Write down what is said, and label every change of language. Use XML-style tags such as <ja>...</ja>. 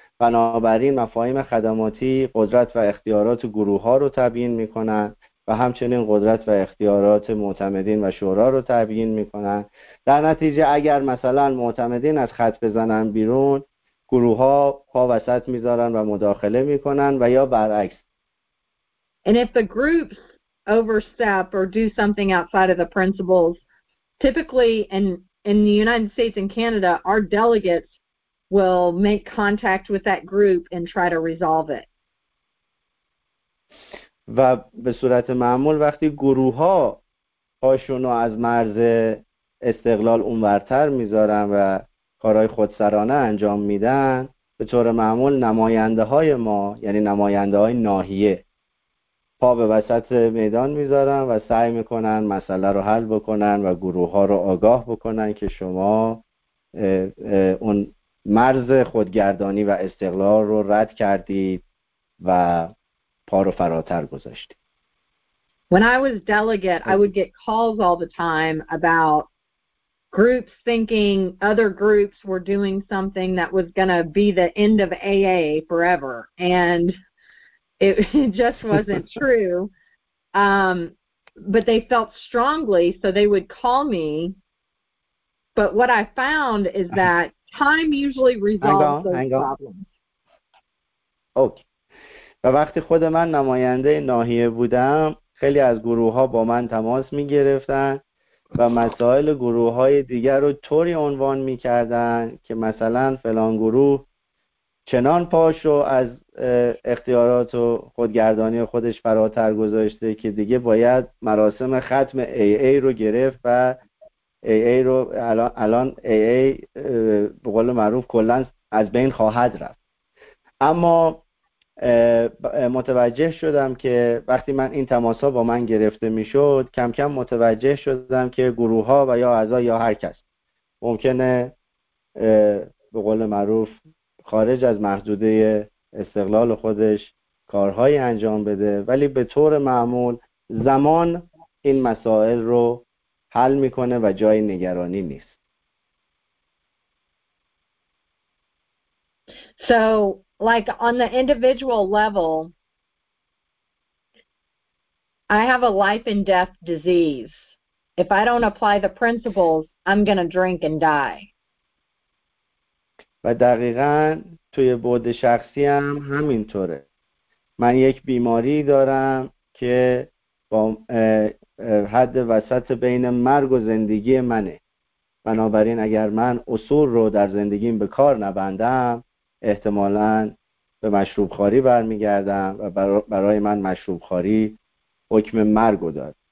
<fa>بنابراین مفاهیم خدماتی قدرت و اختیارات گروه ها رو تبیین میکنن و همچنین قدرت و اختیارات معتمدین و شورا رو تبیین میکنن. در نتیجه اگر مثلا معتمدین از خط بزنن بیرون، گروه ها پا وسط میذارن و مداخله میکنن و یا برعکس.</fa> <en>And if the groups overstep or do something outside of the principles, typically in the United States and Canada, our delegates will make contact with that group and try to resolve it.</en> <fa>و به صورت معمول وقتی گروه ها پاشون رو از مرز استقلال اونورتر میذارن و کارهای خودسرانه انجام میدن، به طور معمول نماینده های ما، یعنی نماینده های ناحیه، پا به وسط میدان میذارن و سعی میکنن مسئله رو حل بکنن و گروه ها رو آگاه بکنن که شما اون مرز خودگردانی و استقلال رو رد کردید و پا رو فراتر گذاشتید.</fa> <en>When I was delegate, I would get calls all the time about groups thinking other groups were doing something that was going to be the end of AA forever, and it just wasn't true. But they felt strongly, so they would call me. But what I found is that time usually resolves those problems. Okay.</en> <fa>و وقتی خود من نماینده ناحیه بودم، خیلی از گروه ها با من تماس می گرفتن و مسائل گروه های دیگر رو طوری عنوان می کردن که مثلا فلان گروه چنان پاش رو از اختیارات و خودگردانی خودش فراتر گذاشته که دیگه باید مراسم ختم AA رو گرفت و AA رو الان AA به قول معروف کلن از بین خواهد رفت. اما متوجه شدم که وقتی من این تماس ها با من گرفته می شد، کم کم متوجه شدم که گروه ها و یا اعضا یا هر کس ممکنه به قول معروف خارج از محدوده استقلال خودش کارهای انجام بده، ولی به طور معمول زمان این مسائل رو حل می کنه و جای نگرانی نیست.</fa> <en>So like on the individual level, I have a life and death disease. If I don't apply the principles, I'm going to drink and die.</en> <fa>و دقیقاً توی بُعد شخصی هم همینطوره. من یک بیماری دارم که با حد وسط بین مرگ و زندگی منه. بنابراین اگر من اصول رو در زندگیم به کار نبندم، احتمالاً به مشروب خاری برمیگردم و برای من مشروب خاری حکم مرگ رو داد.</fa>